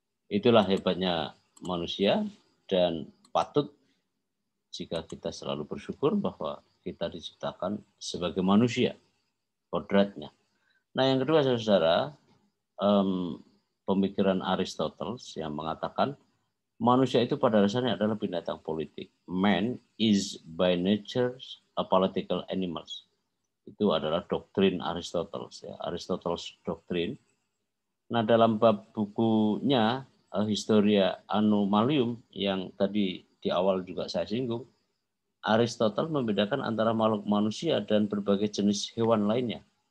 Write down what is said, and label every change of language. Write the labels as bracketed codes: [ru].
[id] Itulah hebatnya manusia dan patut jika kita selalu bersyukur bahwa kita diciptakan sebagai manusia, kodratnya. Nah, yang kedua, saudara, pemikiran Aristoteles yang mengatakan manusia itu pada dasarnya adalah binatang politik. [en] Man is by nature a political animal. [id] Itu adalah doktrin Aristoteles. Ya. Aristoteles doktrin. Nah, dalam bab bukunya Historia Anomalium yang tadi di awal juga saya singgung, Aristoteles membedakan antara makhluk manusia dan berbagai jenis hewan lainnya.